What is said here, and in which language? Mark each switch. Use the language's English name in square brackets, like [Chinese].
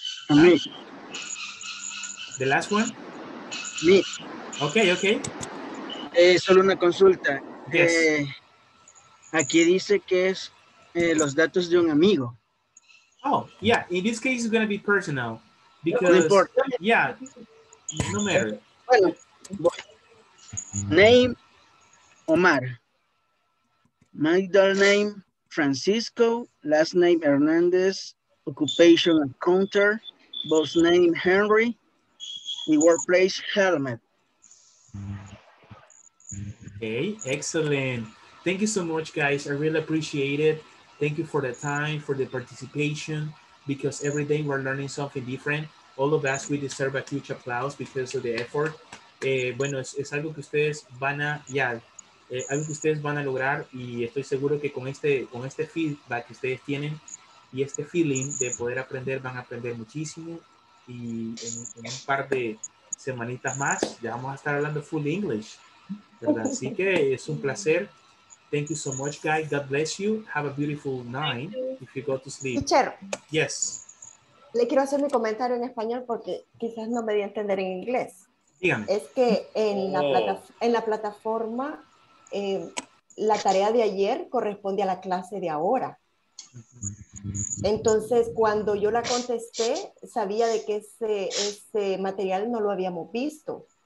[English] Me. The last one? Me. Okay. [Spanish] Solo una consulta. [English] Yes. [Spanish] Aquí dice que es los datos de un amigo. [English] Oh, yeah. In this case, it's going to be personal. Because, [Spanish] no importa. [English] Yeah. No matter. Bueno, name, Omar. Middle name, Francisco, last name Hernandez, occupation counter, boss name Henry, the workplace helmet. Okay, excellent. Thank you so much, guys. I really appreciate it. Thank you for the time, for the participation, because every day we're learning something different. All of us, we deserve a huge applause because of the effort. [Spanish] Bueno, es algo que ustedes van a... Yeah, algo que ustedes van a lograr y estoy seguro que con este feedback que ustedes tienen y este feeling de poder aprender, van a aprender muchísimo y en un par de semanitas más ya vamos a estar hablando full English, ¿verdad? Así que es un placer. [English] Thank you so much, guys. God bless you. Have a beautiful night if you go to sleep. Teacher. Yes. [Spanish] Le quiero hacer mi comentario en español porque quizás no me voy a entender en inglés. Dígame. Es que en, oh, la, plata, en la plataforma, la tarea de ayer corresponde a la clase de ahora. Entonces, cuando yo la contesté, sabía de que ese material no lo habíamos visto.